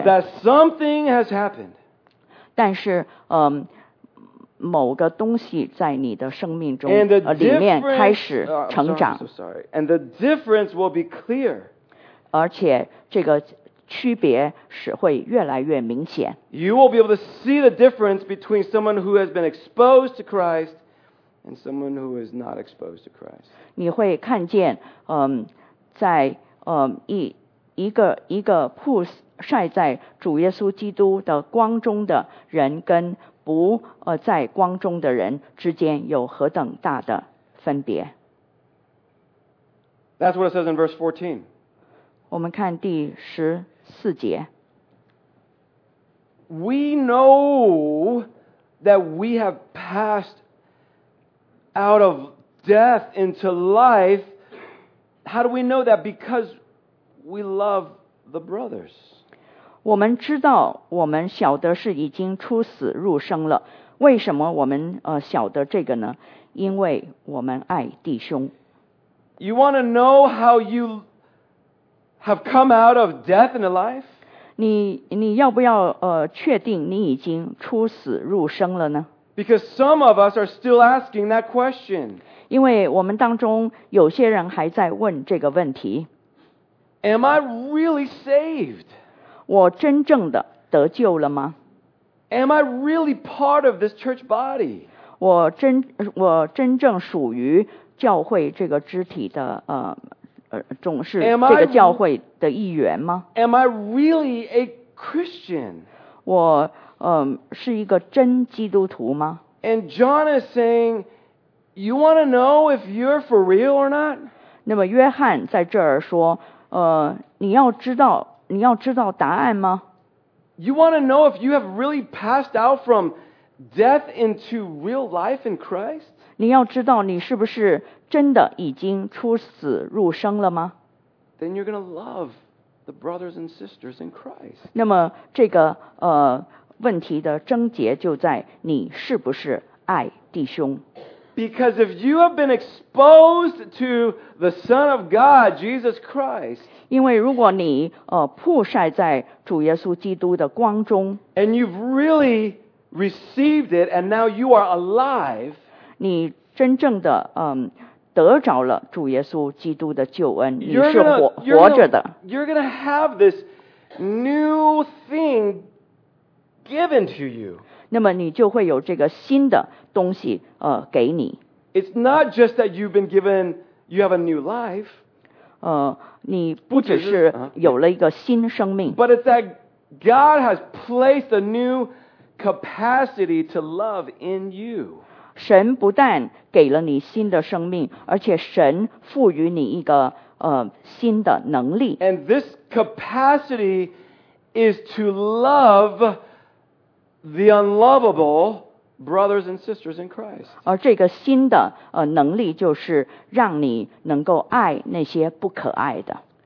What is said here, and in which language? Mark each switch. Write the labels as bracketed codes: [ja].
[en] But that something has happened. [zh] 但是某个东西在你的生命中里面开始成长。 [en] I'm so sorry. And the difference will be clear. [zh] 而且这个区别是会越来越明显。 [en] You will be able to see the difference between someone who has been exposed to Christ. And someone who is not exposed to Christ. [zh] 你会看见，在一个曝晒在主耶稣基督的光中的人跟不在光中的人之间有何等大的分别。 [en] That's what it says in verse 14. [zh] 我们看第十四节。 [en] We know that we have passed. Out of death into life, how do we know that? Because we love the brothers. [zh] 我们知道，我们晓得是已经出死入生了。为什么我们晓得这个呢？因为我们爱弟兄。 [en] You want to know how you have come out of death into life? [zh] 你要不要确定你已经出死入生了呢？ [en] Because some of us are still asking that question. [zh] 因为我们当中有些人还在问这个问题。 [en] Am I really saved? [zh] 我真正的得救了吗？ [en] Am I really part of this church body? [zh] 我真正属于教会这个肢体的总是这个教会的一员吗？ [en] Am I really a Christian? [zh] 我是一个真基督徒吗？ [en] And John is saying, you want to know if you're for real or not? [zh] 那么约翰在这儿说你要知道答案吗？ [en] You want to know if you have really passed out from death into real life in Christ? [zh] 你要知道你是不是真的已经出死入生了吗？ [en] Then you're going to love the brothers and sisters in Christ. [zh] 那么这个问题的症结就在你是不是爱弟兄。 [en] Because if you have been exposed to the Son of God, Jesus Christ, [zh] 因为如果你曝晒在主耶稣基督的光中， [en] and you've really received it, and now you are alive, [zh] 你真正的得着了主耶稣基督的救恩，你是活着的。 [en] You're gonna have this new thing given to you. [zh] 那么你就会有这个新的东西给你。 [en] It's not just that you've been given, you have a new life. [zh] 你不只是有了一个新生命。 [en] But it's that God has placed a new capacity to love in you. [zh] 神不但给了你新的生命，而且神赋予你一个新的能力。 [en] And this capacity is to love the unlovable brothers and sisters in Christ. [zh] 而这个新的能力就是让你能够爱那些不可爱的。